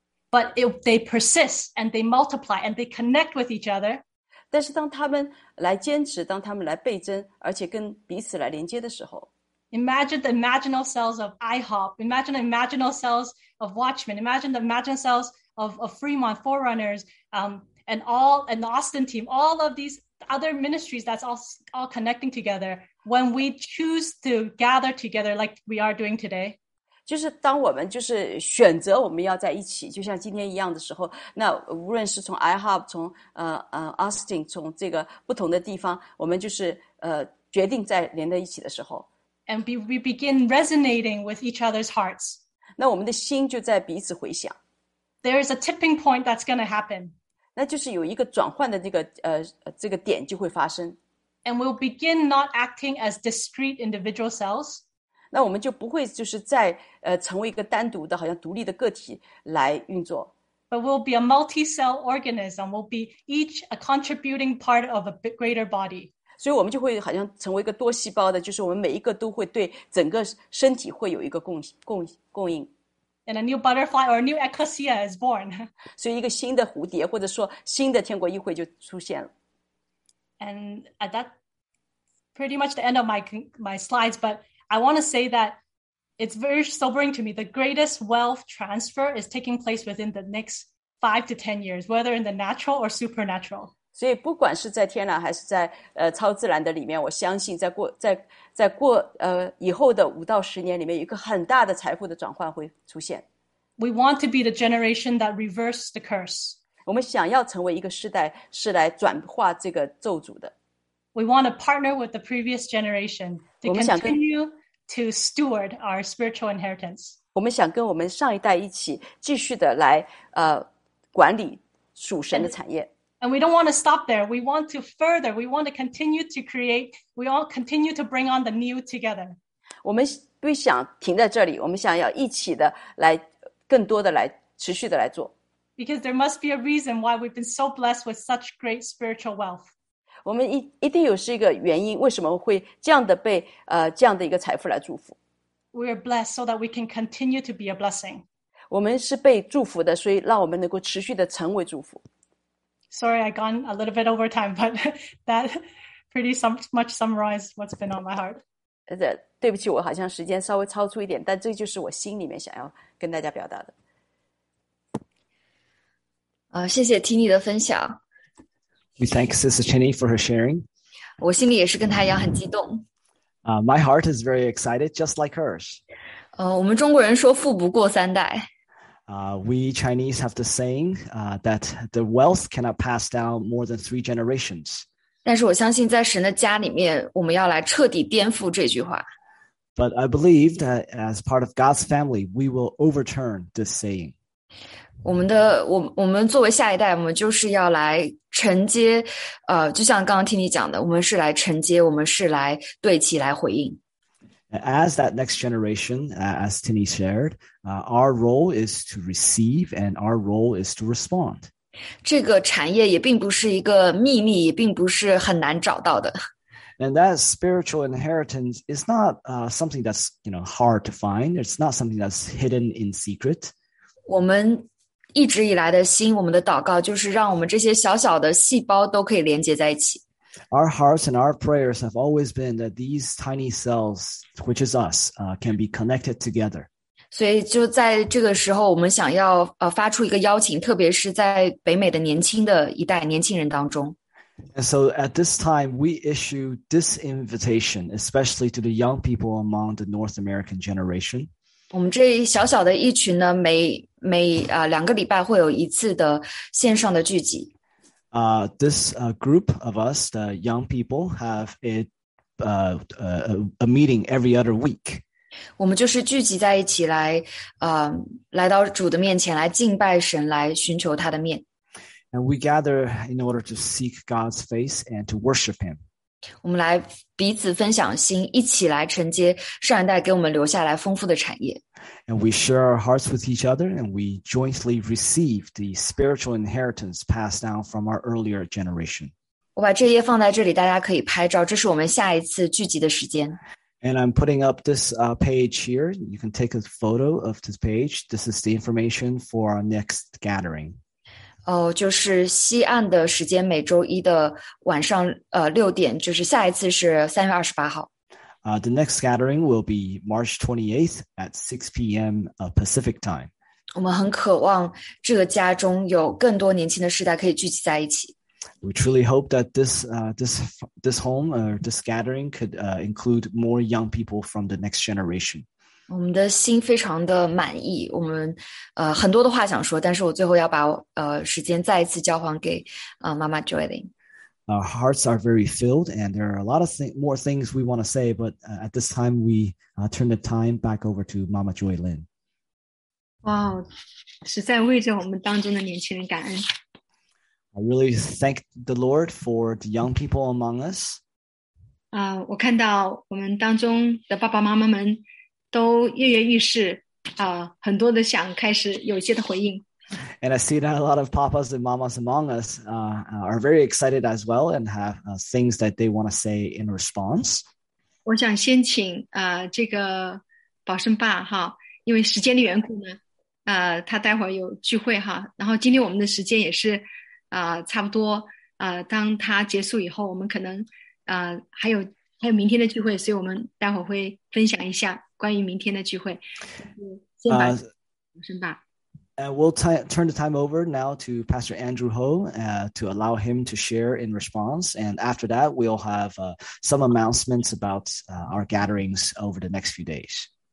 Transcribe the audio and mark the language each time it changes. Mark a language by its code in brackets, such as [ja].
[en] But if they persist and they multiply and they connect with each other, [zh] 但是当他们来坚持，当他们来倍增，而且跟彼此来连接的时候。 [en] Imagine the imaginal cells of IHOP. Imagine the imaginal cells of Watchmen. Imagine the imaginal cells of Fremont, Forerunners, and the Austin team. All of these other ministries that's all connecting together. When we choose to gather together like we are doing today. [zh] 就是当我们就是选择我们要在一起，就像今天一样的时候，那无论是从 IHOP, 从Austin, 从这个不同的地方，我们就是决定在连在一起的时候。 [en] And we begin resonating with each other's hearts. [zh] 那我们的心就在彼此回响。 [en] There is a tipping point that's going to happen. [zh] 那就是有一个转换的这个这个点就会发生。 [en] And we'll begin not acting as discrete individual cells. [zh] 那我们就不会就是在成为一个单独的好像独立的个体来运作。 [en] But we'll be a multi-cell organism. We'll be each a contributing part of a greater body. [zh] 所以我们就会好像成为一个多细胞的，就是我们每一个都会对整个身体会有一个供应。 [en] And a new butterfly or a new ecclesia is born. [zh] 所以一个新的蝴蝶或者说新的天国议会就出现了。 [en] And that's pretty much the end of my slides, but I want to say that it's very sobering to me. The greatest wealth transfer is taking place within the next 5 to 10 years, whether in the natural or supernatural. [zh] 所以不管是在天然还是在超自然的里面，我相信在过以后的5到10年里面，有一个很大的财富的转换会出现。 [en] We want to be the generation that reverses the curse. [zh] 我们想要成为一个世代是来转化这个咒诅的。 [en] We want to partner with the previous generation to continue to steward our spiritual inheritance. [zh] 我们想跟我们上一代一起继续的来管理属神的产业。 [en] And we don't want to stop there. We want to further. We want to continue to create. We all continue to bring on the new together. [zh] 我们不想停在这里，我们想要一起的来更多的来持续的来做。 [en] Because there must be a reason why we've been so blessed with such great spiritual wealth. [zh] 我们一定有是一个原因，为什么会这样的被这样的一个财富来祝福。 [en] We are blessed so that we can continue to be a blessing. [zh] 我们是被祝福的，所以让我们能够持续的成为祝福。 [en] Sorry, I've gone a little bit over time, but that pretty much summarized what's been on my heart. [zh] 对不起，我好像时间稍微超出一点，但这就是我心里面想要跟大家表达的。谢谢 Tini 的分享。 [en] We thank Sister Tini for her sharing. [zh] 我心里也是跟她一样很激动。 [en] My heart is very excited, just like hers. [zh] 我们中国人说富不过三代。 [en] We Chinese have the saying that the wealth cannot pass down more than 3 generations. [zh] 但是我相信在神的家里面，我们要来彻底颠覆这句话。 [en] But I believe that as part of God's family, we will overturn this saying. [zh] 我们作为下一代，我们就是要来承接，就像刚刚听你讲的，我们是来承接，我们是来对齐，来回应。 [en] As that next generation, as Tini shared, our role is to receive and our role is to respond. [zh] 这个产业也并不是一个秘密，也并不是很难找到的。 [en] And that spiritual inheritance is not something that's, you know, hard to find. It's not something that's hidden in secret. [zh] 我们一直以来的心，我们的祷告就是让我们这些小小的细胞都可以连接在一起。 [en] Our hearts and our prayers have always been that these tiny cells, which is us, can be connected together. [zh] 所以就在这个时候，我们想要发出一个邀请，特别是在北美的年轻的一代年轻人当中。 [en] And so at this time, we issue this invitation, especially to the young people among the North American generation. [zh] 我们这小小的一群呢，每两个礼拜会有一次的线上的聚集。 [en] This group of us, the young people, have a meeting every other week. [zh] 我们就是聚集在一起来，来到主的面前，来敬拜神，来寻求他的面。 [en] And we gather in order to seek God's face and to worship Him. [zh] 我们来彼此分享心，一起来承接上一代给我们留下来丰富的产业。 [en] And we share our hearts with each other, and we jointly receive the spiritual inheritance passed down from our earlier generation. [zh] 我把这页放在这里，大家可以拍照。这是我们下一次聚集的时间。 [en] And I'm putting up this page here. You can take a photo of this page. This is the information for our next gathering. [zh] 就是西岸的时间，每周一的晚上六点，就是下一次是3月28号。 [en] The next gathering will be March 28th at 6 p.m. Pacific time. [zh] 我们很渴望这个家中有更多年轻的世代可以聚集在一起。 [en] We truly hope that this home or this gathering could include more young people from the next generation. [zh] 我们的心非常的满意，我们很多的话想说，但是我最后要把时间再一次交还给妈妈 Joylene。 [en] Our hearts are very filled, and there are a lot of more things we want to say, but at this time, we turn the time back over to Mama Joylene. [zh] Wow, 实在为着我们当中的年轻人感恩。 [en] I really thank the Lord for the young people among us. [zh] 我看到我们当中的爸爸妈妈们都跃跃欲试，很多的想开始有一些的回应。 [en] And I see that a lot of papas and mamas among us are very excited as well and have things that they want to say in response. [zh] 我想先请这个宝生爸哈，因为时间的缘故呢，他待会儿有聚会哈，然后今天我们的时间也是差不多当他结束以后，我们可能还有明天的聚会，所以我们待会儿会分享一下关于明天的聚会。先把宝生爸。 [en] And we'll turn the time over now to Pastor Andrew Ho to allow him to share in response. And after that, we'll have some announcements about our gatherings over the next few days.